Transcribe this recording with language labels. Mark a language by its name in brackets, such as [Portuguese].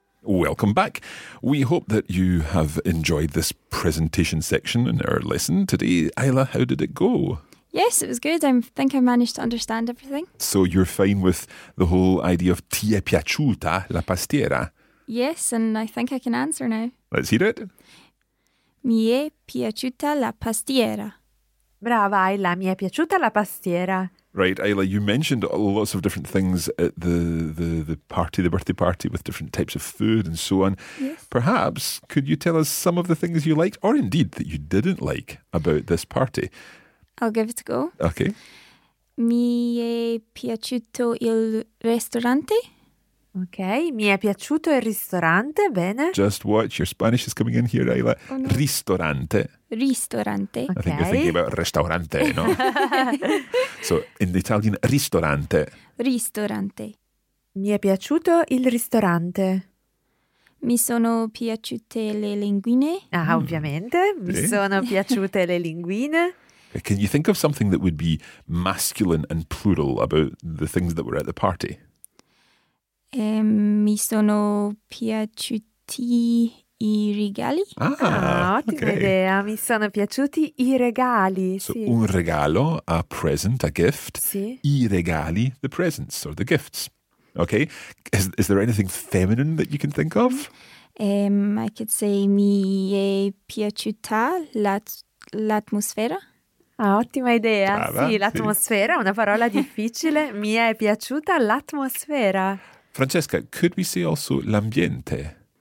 [English] Welcome back. We hope that you have enjoyed this presentation section in our lesson today. Ayla, how did it go? Yes, it was good. I think I managed to understand everything. So you're fine with the whole idea of [Italian] ti è piaciuta la pastiera? [English] Yes, and I think I can answer now. Let's hear it. [Italian] Mi è piaciuta la pastiera. Brava, Ayla. Mi è piaciuta la pastiera. [English] Right, Ayla, you mentioned lots of different things at the party, the birthday party, with different types of food and so on. Yes. Perhaps, could you tell us some of the things you liked, or indeed that you didn't like, about this party? I'll give it a go. Okay. [Italian] Mi è piaciuto il ristorante. Okay, mi è piaciuto il ristorante, bene. [English] Just watch, your Spanish is coming in here, Ayla. Oh, no. [Italian] Ristorante. Ristorante. [English] Okay. I think you're thinking about restaurante, no? So, in the Italian, ristorante. [Italian] Ristorante. Mi è piaciuto il ristorante. Mi sono piaciute le linguine. Ah, ovviamente, mi sono piaciute le linguine. [English] Can you think of something that would be masculine and plural about the things that were at the party? [Italian] Mi sono piaciuti i regali. Ah, ottima [English] okay. [Italian] idea. Mi sono piaciuti i regali. [English] So, [Italian] sì. Un regalo, [English] a present, a gift. [Italian] Sì. I regali, [English] the presents or the gifts. Okay. Is there anything feminine that you can think of? I could say [Italian] mi è piaciuta l'atmosfera. Ah, ottima idea. Sì, l'atmosfera, sì. Una parola difficile. Mi è piaciuta l'atmosfera. [English] Francesca, could we say also l'ambiente?